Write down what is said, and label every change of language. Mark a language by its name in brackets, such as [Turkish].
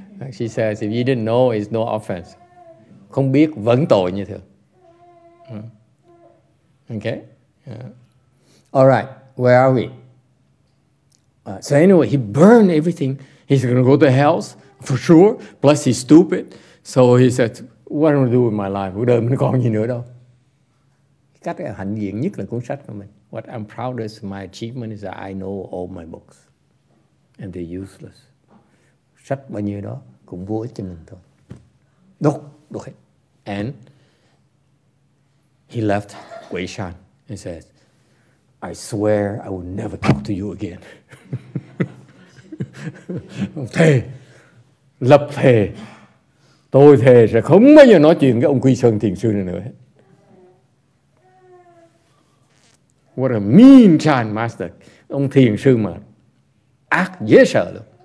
[English] She says, if you didn't know, it's no offense. [Vietnamese] Không biết vẫn tội như thường. [English] Okay. Yeah. All right. Where are we? So anyway, he burned everything. He's going to go to hell for sure. Plus, he's stupid. So he said, what am I going to do with my life? [Vietnamese] Đời mình còn gì nữa đâu. Cách hạnh diện nhất là cuốn sách của mình. [English] What I'm proudest of my achievement is that I know all my books. And they're useless. [Vietnamese] sách bao nhiêu đó cũng vô ích cho mình thôi. Đúng, đúng hết. [English] And he left Wei Shan and said, I swear I will never talk to you again. [Vietnamese] Thề, lập thề, tôi thề sẽ không bao giờ nói chuyện với ông Quy Sơn Thiền Sư này nữa. [English] What a mean Chan master. [Vietnamese] Ông Thiền Sư mà ác dễ sợ luôn.